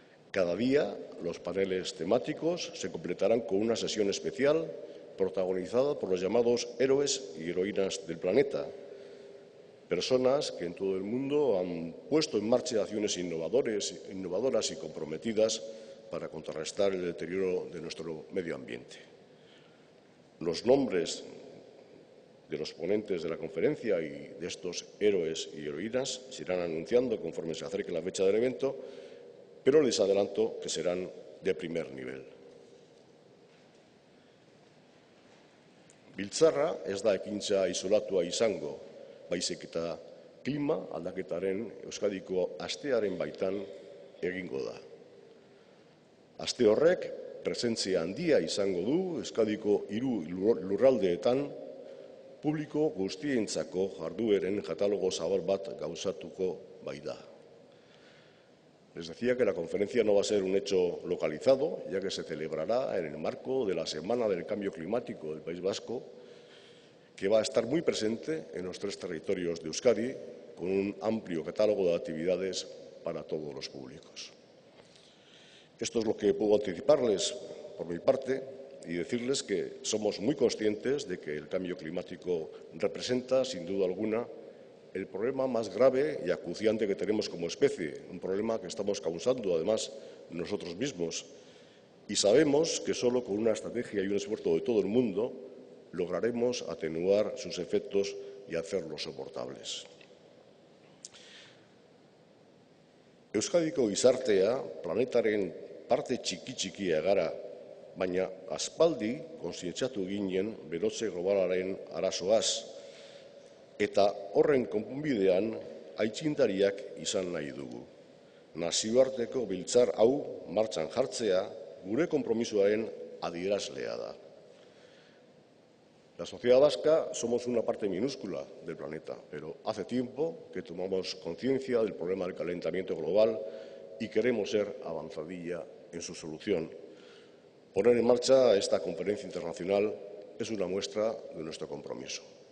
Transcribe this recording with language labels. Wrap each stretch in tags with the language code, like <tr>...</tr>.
<es>Cada día los paneles temáticos se completarán con una sesión especial protagonizada por los llamados héroes y heroínas del planeta, personas que en todo el mundo han puesto en marcha acciones innovadoras y comprometidas para contrarrestar el deterioro de nuestro medio ambiente. Los nombres de los ponentes de la conferencia y de estos héroes y heroínas se irán anunciando conforme se acerque la fecha del evento, pero les adelanto que serán de primer nivel.</es> <eu>Biltzarra ez da ekintza isolatua izango, baizik eta klima aldaketaren Euskadiko astearen baitan egingo da. Aste horrek presentzia handia izango du Euskadiko hiru lurraldeetan publiko guztientzako jardueren katalogo zabal bat gauzatuko baita.</eu> <es>Les decía que la conferencia no va a ser un hecho localizado, ya que se celebrará en el marco de la Semana del Cambio Climático del País Vasco que va a estar muy presente en los tres territorios de Euskadi, con un amplio catálogo de actividades para todos los públicos. Esto es lo que puedo anticiparles por mi parte y decirles que somos muy conscientes de que el cambio climático representa, sin duda alguna, el problema más grave y acuciante que tenemos como especie, un problema que estamos causando, además, nosotros mismos. Y sabemos que solo con una estrategia y un esfuerzo de todo el mundo lograremos atenuar sus efectos y hacerlos soportables.</es> <eu>Euskadiko gizartea planetaren parte txiki-txikia gara, baina aspaldi kontzientziatu ginen berotze globalaren arazoaz, eta horren konponbidean aitzindariak izan nahi dugu. Nazioarteko biltzar hau martxan jartzea gure konpromisoaren adierazlea da.</eu> <es>La sociedad vasca somos una parte minúscula del planeta, pero hace tiempo que tomamos conciencia del problema del calentamiento global y queremos ser avanzadilla en su solución. Poner en marcha esta conferencia internacional es una muestra de nuestro compromiso.</es>